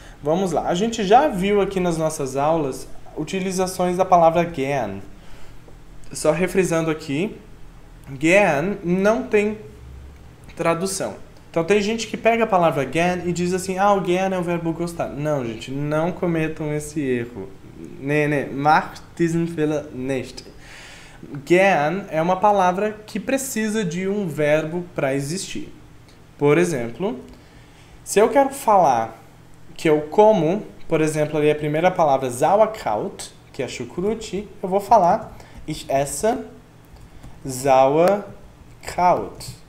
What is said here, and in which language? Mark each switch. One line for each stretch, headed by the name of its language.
Portuguese: Vamos lá, a gente já viu aqui nas nossas aulas utilizações da palavra gern. Só refrisando aqui, gern não tem tradução. Então tem gente que pega a palavra gan e diz assim, ah, o gan é o verbo gostar. Não, gente, não cometam esse erro.
German: Nee, macht diesen Fehler nicht.
Portuguese: Gan é uma palavra que precisa de um verbo para existir. Por exemplo, se eu quero falar que eu como, por exemplo, ali a primeira palavra Sauerkraut, que é chucrute, eu vou falar
German: ich esse Sauerkraut.